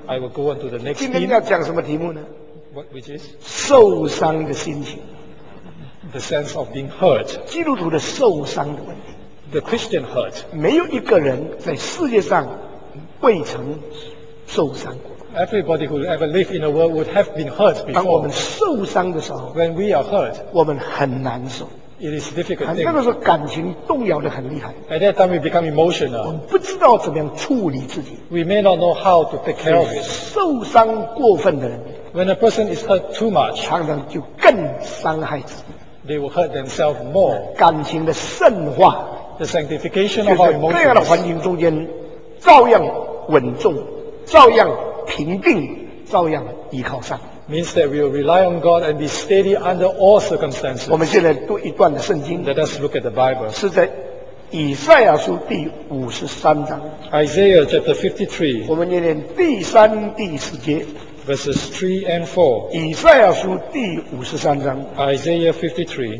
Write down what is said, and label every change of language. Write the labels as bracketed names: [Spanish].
[English] I will go on to the next。 [Chinese] 今天要讲什么题目呢 [English] ？What which is？ [Chinese] 受伤的心情。 [English] The sense of being hurt。 [Chinese] 基督徒的受伤的问题。 [English] The Christian hurt。 [Chinese] 没有一个人在世界上未曾受伤过。 [English] Everybody who ever lived in the world would have been hurt before。 [Chinese] 当我们受伤的时候 [English] ，When we are hurt， [Chinese] 我们很难受。 [English] It is difficult [Chinese] thing. 那个时候感情动摇得很厉害。 [English] At that time we become emotional. [Chinese] 我们不知道怎么样处理自己。 [English] We may not know how to take care of it. [Chinese] 受伤过分的人。 [English] When a person is hurt too much. [Chinese] 常常就更伤害自己。 [English] They will hurt themselves more. [Chinese] 感情的圣化。 [English] The sanctification of our emotions. [Chinese] 就是这样的环境中间，照样稳重，照样平定，照样依靠上。 [English] Means that we will rely on God and be steady under all circumstances. [Chinese] 我们现在读一段的圣经。 [English] Let us look at the Bible. [Chinese] 是在以赛亚书第53章。 [English] Isaiah chapter 53. [Chinese] 我们念念第三、第四节。 [English] Verses 3 and 4. [Chinese] 以赛亚书第53章。 [English] Isaiah 53.